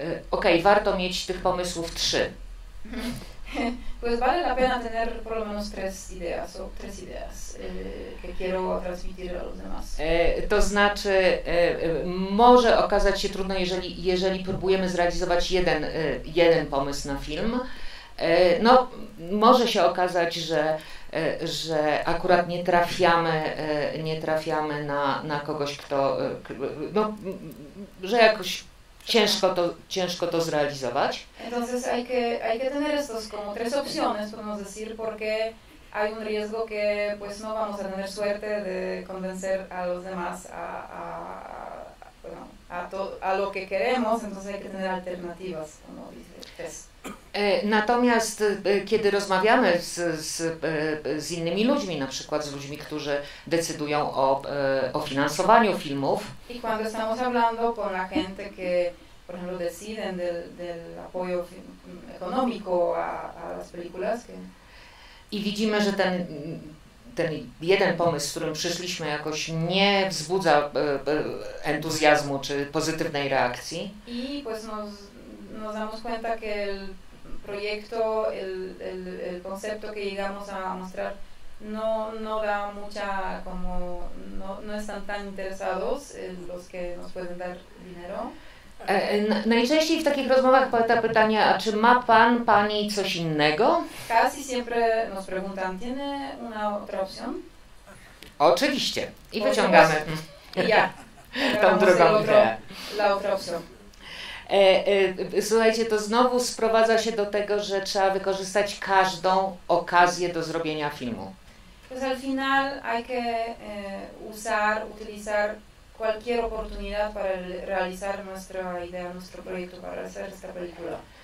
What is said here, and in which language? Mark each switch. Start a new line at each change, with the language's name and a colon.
Polish: Okej, warto mieć tych pomysłów trzy.
Spanish: Pues vale la pena tener por lo menos tres ideas que quiero transmitir a los demás.
Polish: To znaczy, może okazać się trudno, jeżeli próbujemy zrealizować jeden pomysł na film. No, może się okazać, że akurat nie trafiamy na kogoś, kto, no, że jakoś ciężko to zrealizować.
Spanish: Entonces hay que tener estos como tres opciones, podemos decir, porque hay un riesgo que pues no vamos a tener suerte de convencer a los demás a lo que queremos, entonces hay que tener alternativas, como dice tres.
Polish: Natomiast kiedy rozmawiamy z innymi ludźmi, na przykład z ludźmi, którzy decydują o finansowaniu filmów.
Spanish: I cuando estamos hablando con la gente que, por ejemplo, deciden del apoyo económico a las películas. Que...
Polish: I widzimy, że ten jeden pomysł, z którym przyszliśmy, jakoś nie wzbudza entuzjazmu czy pozytywnej reakcji.
Spanish: I pues nos damos cuenta que el proyecto, el concepto que llegamos a mostrar no da mucha, como no están tan interesados los que nos pueden dar dinero.
Polish: Najczęściej w takich rozmowach pada pytanie, a czy ma pan, pani coś innego?
Spanish: Casi siempre nos preguntan, ¿tiene una otra opción?
Polish: Oczywiście. I wyciągamy. Ja. Tą drugą ideę.
Spanish: La otra opción.
Polish: Słuchajcie, to znowu sprowadza się do tego, że trzeba wykorzystać każdą okazję do zrobienia filmu.
Spanish: Pues al final hay que utilizar cualquier oportunidad para realizar nuestra idea, nuestro proyecto, para hacer esta película.